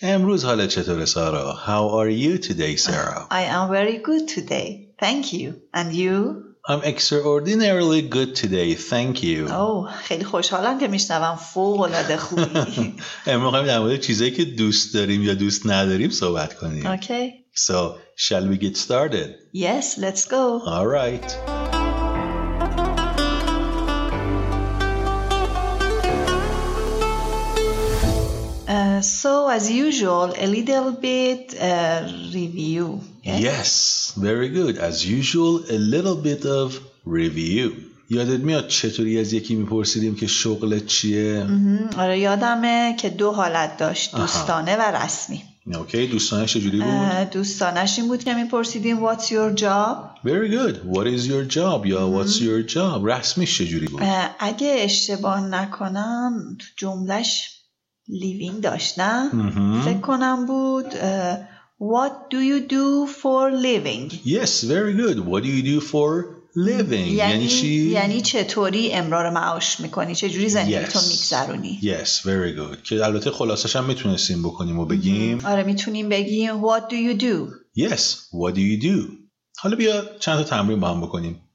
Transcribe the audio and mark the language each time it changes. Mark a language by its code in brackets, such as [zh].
[fa] امروز حالت چطوره سارا؟ [en] How are you today, Sarah? I am very good today. Thank you. And you? I'm extraordinarily good today. Thank you. [fa] Oh, خیلی خوشحالم که میشنوم فوق‌العاده خوبی. امروز می‌خوایم در مورد چیزایی که دوست داریم یا دوست نداریم صحبت کنیم. [en] Okay. So, shall we get started? Yes, let's go. All right. So, as usual, a little bit review. Yes, very good. As usual, a little bit of review. [fa] یادت میاد چطوری از یکی میپرسیدیم که شغل چیه؟ آره یادمه که دو حالت داشت، دوستانه و رسمی. اوکی، دوستانه چجوری بود؟ دوستانش این بود که میپرسیدیم [en] What's your job? Very good. What is your job? یا What's your job? [fa] رسمیش چجوری بود؟ اگه اشتباه نکنم، جملهش living داشت نه؟ فکر کنم بود [en] What do you do for living? Yes, very good. What do you do for living? [fa] یعنی چطوری امرار معاش میکنی؟ چجوری زندگیتو میگذرونی؟ [en] Yes, very good. [fa] که البته خلاصش هم میتونستیم بکنیم و بگیم آره میتونیم بگیم [en] What do you do? Yes, what do you do? [fa] حالا بیا چند تا تمرین با هم بکنیم.